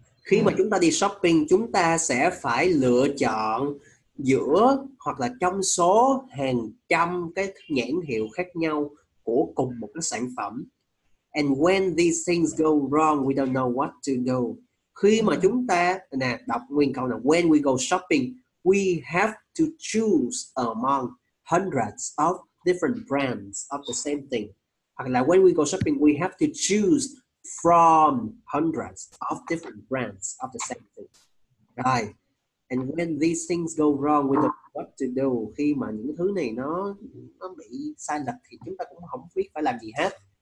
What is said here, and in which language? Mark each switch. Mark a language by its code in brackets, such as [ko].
[vi] Khi mà chúng ta đi shopping, chúng ta sẽ phải lựa chọn giữa hoặc là trong số hàng trăm cái nhãn hiệu khác nhau của cùng một cái sản phẩm. [en] And when these things go wrong, we don't know what to do. [vi] Khi mà chúng ta nè, đọc nguyên câu là [en] when we go shopping, we have to choose among hundreds of different brands of the same thing. [vi] Hoặc là [en] when we go shopping, we have to choose from hundreds of different brands of the same thing. Right. And when these things go wrong, we don't know what to do. [vi] Khi mà những thứ này nó bị sai lệch thì chúng ta cũng không biết phải làm gì hết.